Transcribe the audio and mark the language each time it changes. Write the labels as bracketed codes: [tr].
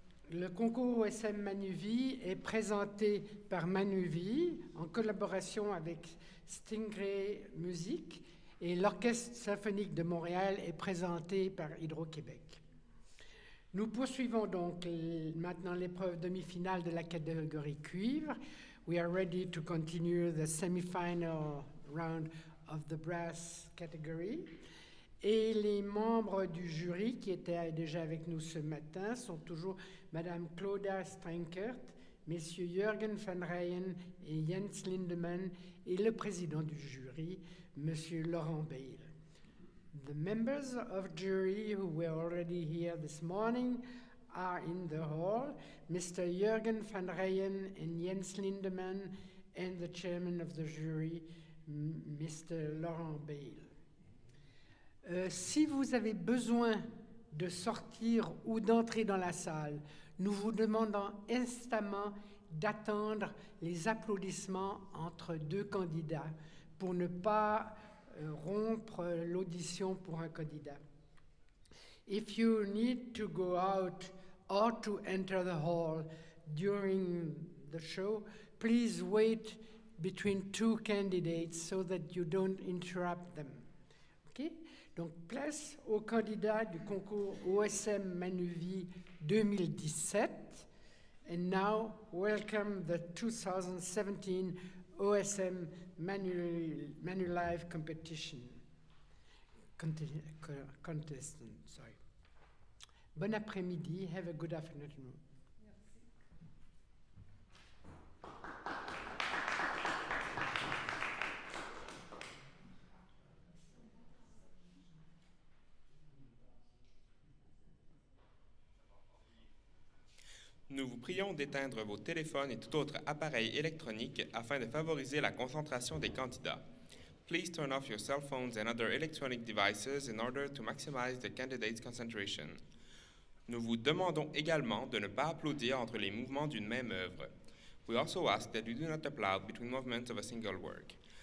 [fr] Le concours OSM Manuvie est présenté par Manuvie en collaboration avec Stingray Music, et l'Orchestre symphonique de Montréal est présenté par Hydro-Québec. Nous poursuivons donc maintenant l'épreuve demi-finale de la catégorie cuivre. [en] We are ready to continue the semi-final round of the brass category. [fr] Et les membres du jury qui étaient déjà avec nous ce matin sont toujours Madame Claudia Strenkert, Messieurs Jürgen van Rijen et Jens Lindemann, et le président du jury, Monsieur Laurent Bayle. [en] The members of jury who were already here this morning are in the hall, Mr. Jürgen van Rijen and Jens Lindemann, and the chairman of the jury, Mr. Laurent Bayle. [fr] Si vous avez besoin de sortir ou d'entrer dans la salle, nous vous demandons instamment d'attendre les applaudissements entre deux candidats pour ne pas rompre l'audition pour un candidat. [en] If you need to go out or to enter the hall during the show, please wait between two candidates so that you don't interrupt them. [fr] Okay? Donc, place aux candidats du concours OSM Manuvie 2017. [en] And now, welcome the 2017 OSM Manulife Competition. Contestant. [fr] Bon après-midi. [en] Have a good afternoon. [fr] Nous vous prions d'éteindre vos téléphones et tout autre appareil électronique afin de favoriser la concentration des candidats. [en] Please turn off your cell phones and other electronic devices in order to maximize the candidate's concentration. [fr] Nous vous demandons également de ne pas applaudir entre les mouvements d'une même œuvre. [en] We also ask that you do not applaud between movements of a single work.